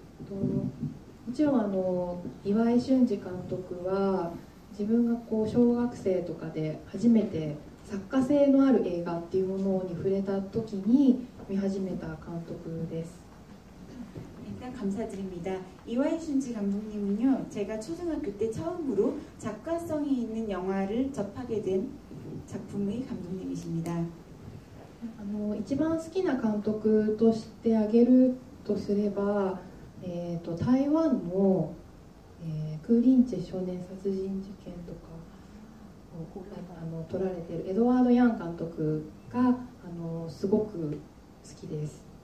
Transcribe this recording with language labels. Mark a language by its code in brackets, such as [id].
[ja] もちろんあの岩井俊二監督は自分がこう小学生とかで初めて作家性のある映画っていうものに触れた時に見始めた監督です。 [ko] 일단감사드립니다이와이순지감독님은요제가초등학교때처음으로작가성이있는영화를접하게된작품의감독님이십니다 [ja] あの一番好きな監督としてあげるとすれば台湾の、クーリンチェ少年殺人事件とかを撮られているエドワード・ヤン監督がすごく好きです。